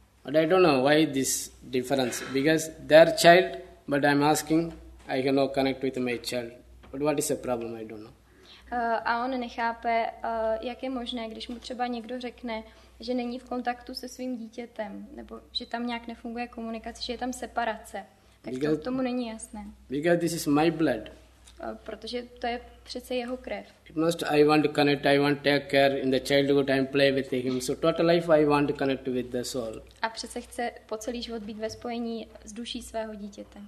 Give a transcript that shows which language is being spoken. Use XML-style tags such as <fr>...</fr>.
<en>But I don't know why this difference, because their child... But I'm asking, I have no connect with my child. But what is the problem? I don't know.</en> <cs>A on nechápe, jak je možné, když mu třeba někdo řekne, že není v kontaktu se svým dítětem, nebo že tam nějak nefunguje komunikace, že je tam separace. Tak</cs> <en>because,</en> <cs>to tomu není jasné.</cs> <en>Because this is my blood.</en> <cs>Protože to je přece jeho krev.</cs> <en>It must, I want to connect, I want to take care in the childhood, I play with him. So total life I want to connect with the soul.</en> <cs>A přece chce po celý život být ve spojení s duší svého dítěte.</cs>